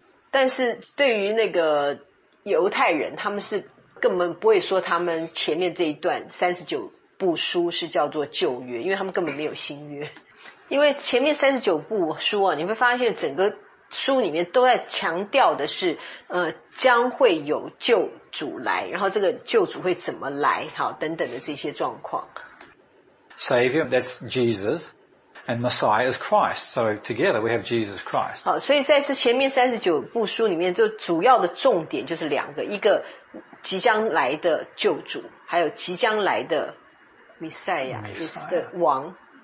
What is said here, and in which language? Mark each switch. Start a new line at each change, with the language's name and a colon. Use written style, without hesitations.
Chinese: 但是对于那个犹太人，他们是根本不会说他们前面这一段39部书是叫做旧约，因为他们根本没有新约。因为前面39部书啊，你会发现整个书里面都在强调的是将会有救主来，然后这个救主会怎么来，好，等等的这些状况。
English: Savior, that's Jesus, and Messiah is Christ. So together we have Jesus Christ.
Chinese: 好，所以在这前面39部书里面，就主要的重点就是两个，一个即将来的救主，还有即将来的弥赛亚，的王。